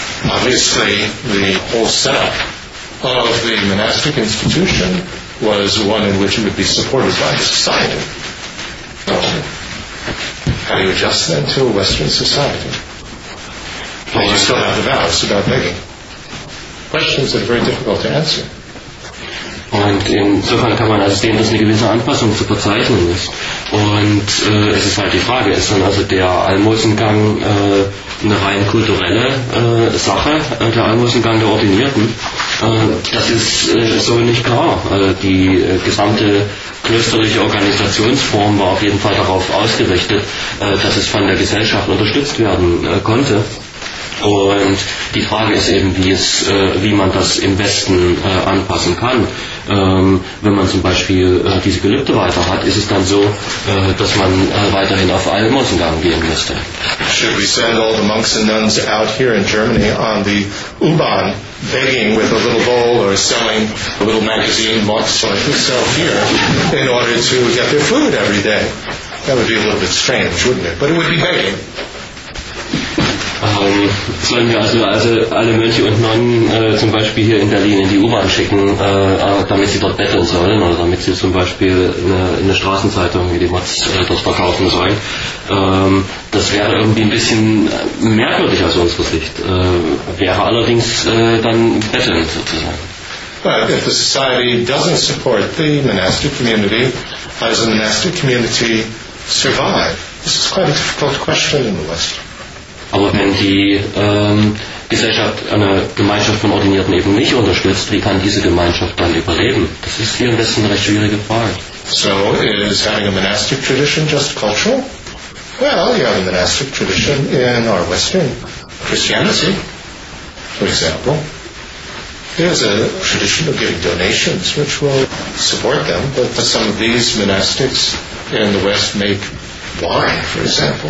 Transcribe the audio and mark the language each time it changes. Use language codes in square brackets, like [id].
[en] Obviously, the whole setup of the monastic institution was one in which it would be supported by the society. So, how do you adjust then to a Western society? Well, you still have the vows about begging. Questions that are very difficult to answer. [de] Und insofern kann man also sehen, dass eine gewisse Anpassung zu verzeichnen ist. Und es ist halt die Frage, ist dann also der Almosengang eine rein kulturelle Sache, der Almosengang der Ordinierten? Das ist so nicht klar. Die gesamte klösterliche Organisationsform war auf jeden Fall darauf ausgerichtet, dass es von der Gesellschaft unterstützt werden konnte. Und die Frage ist eben, wie man das im Westen anpassen kann. Wenn man zum Beispiel diese Gelübde weiter hat, ist es dann so, dass man weiterhin auf Almosengang gehen müsste. [en] Should we send all the monks and nuns out here in Germany on the U-Bahn begging with a little bowl or selling a little magazine box like we sell here in order to get their food every day? That would be a little bit strange, wouldn't it? But it would be begging. [de] Sollen wir also alle Mönche und Nonnen zum Beispiel hier in Berlin in die U-Bahn schicken, damit sie dort betteln sollen oder damit sie zum Beispiel eine Straßenzeitung wie die Mats dort verkaufen sollen? Das wäre irgendwie ein bisschen merkwürdig aus unserer Sicht. Wäre allerdings dann betteln sozusagen. [en] But if the society doesn't support the monastic community, how does the monastic community survive? This is quite a difficult question in the West. [de] Aber wenn die Gesellschaft eine Gemeinschaft von Ordinierten eben nicht unterstützt, wie kann diese Gemeinschaft dann überleben? Das ist hier im Westen eine recht schwierige Frage. [en] So, is having a monastic tradition just cultural? Well, you have a monastic tradition in our Western Christianity, for example. There's a tradition of giving donations, which will support them, but some of these monastics in the West make wine, for example.